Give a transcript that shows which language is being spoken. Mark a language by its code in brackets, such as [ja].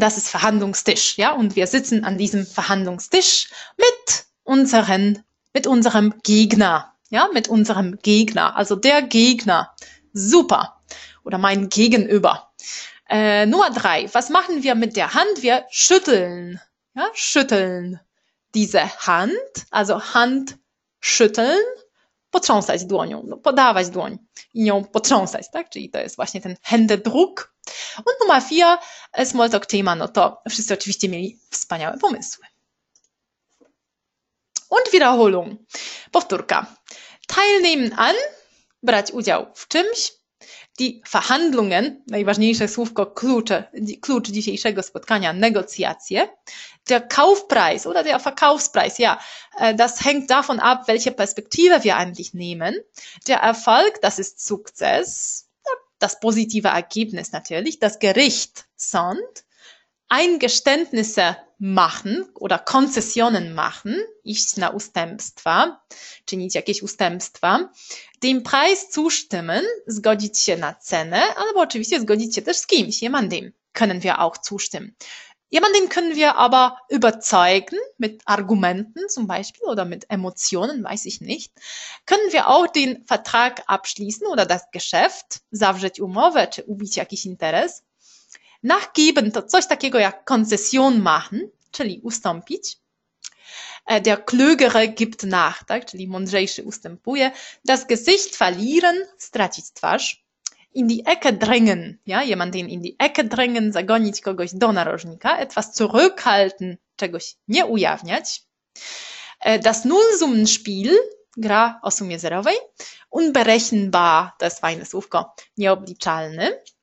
[de] Das ist Verhandlungstisch, ja, und wir sitzen an diesem Verhandlungstisch mit unserem Gegner, ja, mit unserem Gegner, also der Gegner, super, oder mein Gegenüber. Nummer drei, was machen wir mit der Hand? Wir schütteln, ja, schütteln diese Hand, also Hand schütteln, [pl] potrząsać dłonią, no podawać dłoń i nią potrząsać, tak? Czyli to jest właśnie ten Händedruck. [de] Und Nummer 4, Smalltalk Thema, [pl] no to wszyscy oczywiście mieli wspaniałe pomysły. [de] Und Wiederholung. [pl] Powtórka. Teilnehmen an, brać udział w czymś. Die Verhandlungen, najważniejsze słówko, klucz dzisiejszego spotkania, negocjacje. [de] Der Kaufpreis oder der Verkaufspreis, ja, das hängt davon ab, welche Perspektive wir eigentlich nehmen. Der Erfolg, das ist Sukzess, das positive Ergebnis natürlich, das Gericht, Sand, Eingeständnisse machen oder Konzessionen machen, [pl] iść na ustępstwa, czynić jakieś ustępstwa, [de] dem Preis zustimmen, [pl] zgodzić się na cenę, albo oczywiście zgodzić się też z kimś, [de] jemandem, können wir auch zustimmen. Jemanden können wir aber überzeugen, mit Argumenten zum Beispiel oder mit Emotionen, weiß ich nicht. Können wir auch den Vertrag abschließen oder das Geschäft, [pl] zawrzeć umowę, czy ubić jakiś interes. Nachgeben, to coś takiego jak Konzession machen, czyli ustąpić. [de] Der Klügere gibt nach, tak? [pl] Czyli mądrzejszy ustępuje. [de] Das Gesicht verlieren, [pl] stracić twarz. [de] In die Ecke drängen, ja, jemanden in die Ecke drängen, [pl] zagonić kogoś do narożnika, [de] etwas zurückhalten, [pl] czegoś nie ujawniać. Das Nullsummenspiel, gra o sumie zerowej, unberechenbar, to jest fajne słówko, nieobliczalny.